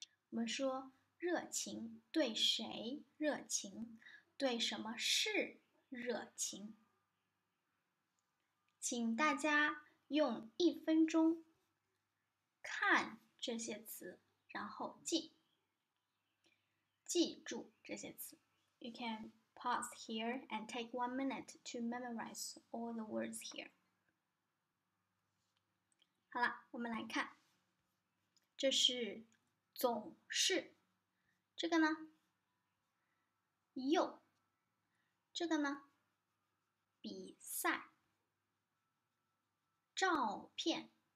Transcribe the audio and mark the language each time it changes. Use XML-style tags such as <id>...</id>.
<zh>我们说热情对谁热情，对什么事热情。请大家用一分钟看这些词，然后记住这些词。</zh> <en>You can pause here and take 1 minute to memorize all the words here.</en> <zh>好了，我们来看，这是总是，这个呢，又，这个呢，比赛，照片，</zh>